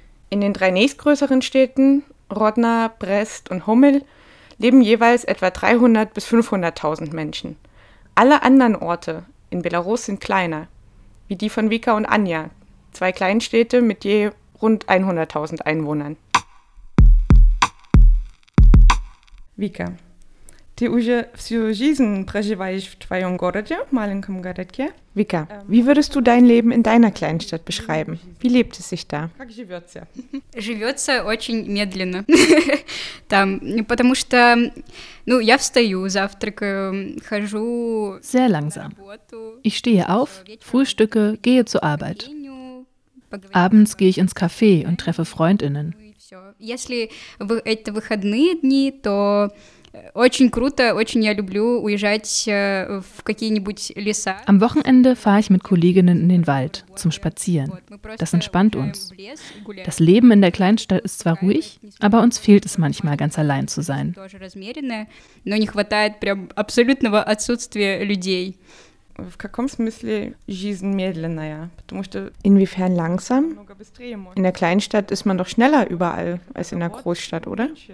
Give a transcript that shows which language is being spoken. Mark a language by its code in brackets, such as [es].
[de] In den 3 nächstgrößeren Städten, Rodna, Brest und Homel, leben jeweils etwa 300.000 bis 500.000 Menschen. Alle anderen Orte in Belarus sind kleiner, wie die von Vika und Anja, 2 Kleinstädte mit je rund 100.000 Einwohnern. [ru] Vika, ты уже всю жизнь проживаешь в твоем городе, маленьком городке? [de] Вика, wie würdest du dein Leben in deiner Kleinstadt beschreiben? Wie lebt es sich da? [ru] Как живется? Живется очень медленно. Там, потому что, ну, я встаю, завтракаю, хожу. [de] Sehr langsam. Ich stehe auf, frühstücke, gehe zur Arbeit. Abends gehe ich ins Café und treffe FreundInnen. [ru] Если это выходные дни, то очень круто, очень я люблю уезжать в какие-нибудь леса. [de] Am Wochenende fahre ich mit Kolleginnen in den Wald zum Spazieren. Das entspannt uns. Das Leben in der Kleinstadt ist zwar ruhig, aber uns fehlt es manchmal, ganz allein zu sein. [ru] Но не хватает прям абсолютного отсутствия людей. В каком смысле жизнь медленная? Потому что [de] inwiefern langsam? In der Kleinstadt ist man doch schneller überall als in der Großstadt, oder?